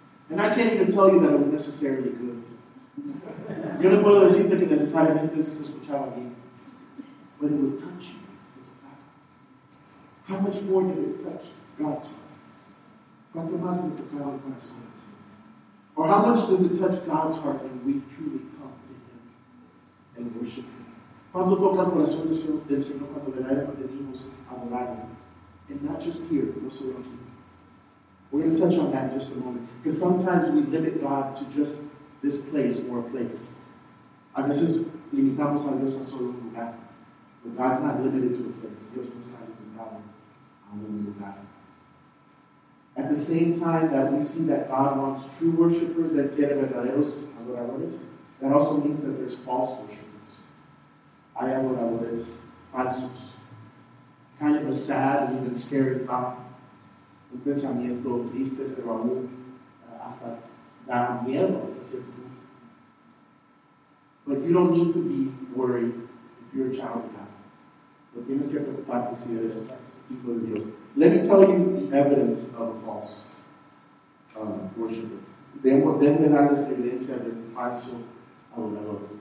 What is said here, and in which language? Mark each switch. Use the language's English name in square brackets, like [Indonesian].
[English] And I can't even tell you that it was necessarily good. [Spanish] Yo no puedo decirte que necesariamente se escuchaba bien. [English] But it would touch you. How much more did it touch God's heart? [Spanish] ¿Cuánto más le tocaba el corazón? [English] Or how much does it touch God's heart when we truly come to Him and worship Him? [Spanish] ¿Cuánto toca el corazón del Señor cuando verdaderamente venimos a adorarlo? [English] And not just here, but also around here. We're going to touch on that in just a moment. Because sometimes we limit God to just this place or a place. [Spanish] A veces limitamos a Dios a solo un lugar. [English] But God's not limited to a place. [Spanish] Dios no está limitado a un lugar. [English] At the same time that we see that God wants true worshipers that [Spanish] quieren verdaderos adoradores, [English] that also means that there's false worshipers. [Spanish] Hay adoradores falsos. [English] Kind of a sad and even scary thought. [Spanish] Un pensamiento triste, pero aún hasta da miedo hasta cierto punto. [English] But you don't need to be worried if you're a child of God. [Spanish] No tienes que preocuparte si eres hijo de Dios. [English] Let me tell you the evidence of a false worshiper. [Spanish] Déjame darles la evidencia de un falso adorador.